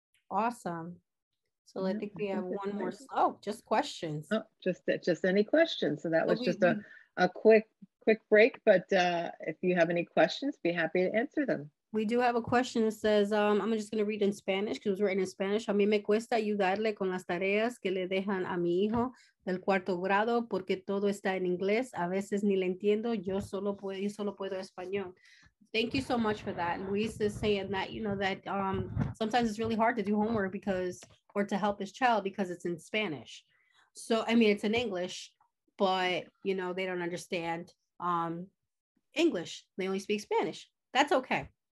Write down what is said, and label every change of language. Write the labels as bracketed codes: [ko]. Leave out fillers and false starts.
[en] Awesome. So I think we have one more. Oh, just questions. Oh, just any questions. So that was just a quick break. But if you have any questions, be happy to answer them. We do have a question that says, I'm just going to read in Spanish because it was written in Spanish. [es] A mí me cuesta ayudarle con las tareas que le dejan a mi hijo del cuarto grado porque todo está en inglés. A veces ni le entiendo. Yo solo puedo español. [en] Thank you so much for that. Luis is saying that, you know, that sometimes it's really hard to do homework or to help his child because it's in Spanish. So, I mean, it's in English, but, you know, they don't understand English. They only speak Spanish. That's okay.